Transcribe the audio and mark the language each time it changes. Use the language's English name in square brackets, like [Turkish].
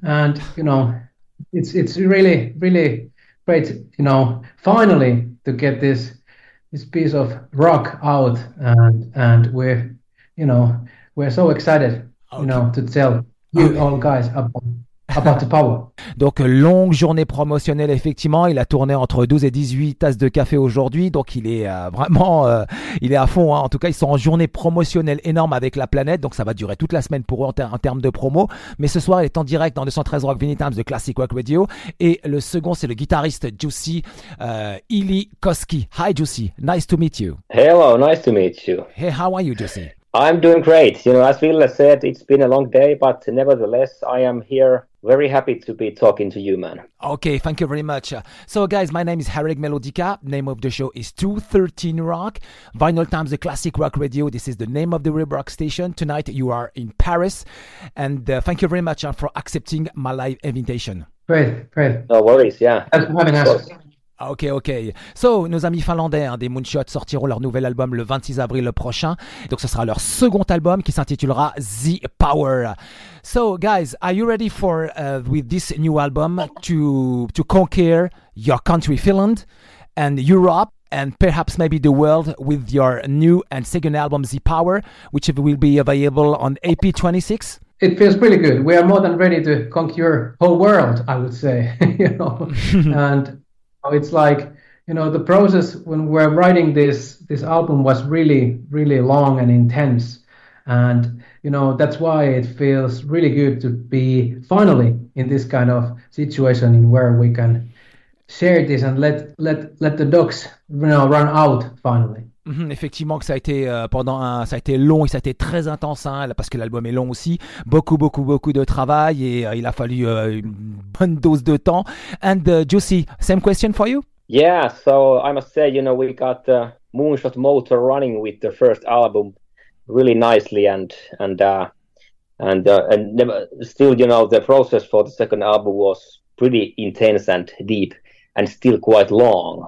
[English] And, you know, it's really, really great, you know, finally to get this piece of rock out. And we're, you know, we're so excited, okay, you know, to tell you all guys about the power. [French] Donc, longue journée promotionnelle, effectivement. Il a tourné entre 12 et 18 tasses de café aujourd'hui. Donc, il est il est à fond. Hein. En tout cas, ils sont en journée promotionnelle énorme avec la planète. Donc, ça va durer toute la semaine pour eux en termes de promo. Mais ce soir, il est en direct dans 213 Rock Vinyl Times de Classic Rock Radio. Et le second, c'est le guitariste Juicy, Ili Koski. [English] Hi, Juicy. Nice to meet you. Hello. Nice to meet you. Hey, how are you, Juicy? I'm doing great. You know, as Ville said, it's been a long day, but nevertheless, I am here. Very happy to be talking to you, man. Okay, thank you very much. So, guys, my name is Herrick Melodica. Name of the show is 213 Rock. Vinyl Times, the Classic Rock Radio. This is the name of the Rib Rock station. Tonight, you are in Paris. And thank you very much for accepting my live invitation. Great. No worries, yeah. Thanks for having us. Ok. [French] So, nos amis finlandais hein, des Moonshot sortiront leur nouvel album le 26 avril prochain. Donc, ce sera leur second album qui s'intitulera The Power. [English] So, guys, are you ready for with this new album to conquer your country, Finland, and Europe, and perhaps maybe the world with your new and second album, The Power, which will be available on AP26? It feels really good. We are more than ready to conquer whole world, I would say. You know, and it's like, you know, the process when we're writing this album was really, really long and intense. And, you know, that's why it feels really good to be finally in this kind of situation in where we can share this and let the dogs, you know, run out finally. [French] Effectivement que ça a été ça a été long et ça a été très intense hein, parce que l'album est long aussi, beaucoup de travail et il a fallu une bonne dose de temps. [English] And Juicy, same question for you? Yeah, so I must say, you know, we got the Moonshot motor running with the first album really nicely and still, you know, the process for the second album was pretty intense and deep and still quite long.